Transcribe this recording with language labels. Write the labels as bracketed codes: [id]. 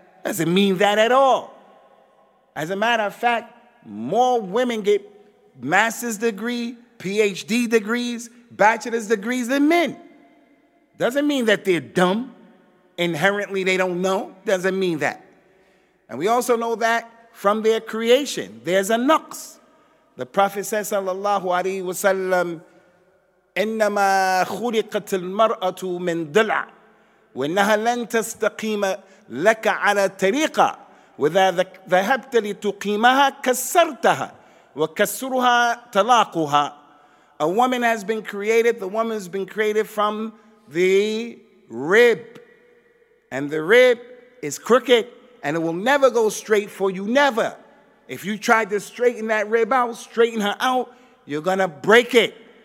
[en] Doesn't mean that at all. As a matter of fact, more women get master's degree, PhD degrees, bachelor's degrees than men. Doesn't mean that they're dumb. Inherently, they don't know. Doesn't mean that. And we also know that from their creation, there's a nuqs. The Prophet says, [ar] sallallahu alayhi wa sallam, إنما خلقت المرأة من ضلع وإنها لن تستقيم لك على طريقة وإذا ذهبت لتقيمها كسرتها وكسرها طلاقها. [en] A woman has been created. The woman has been created from the rib, and the rib is crooked and it will never go straight for you. Never. If you tried to straighten that rib out, straighten her out, you're gonna break it.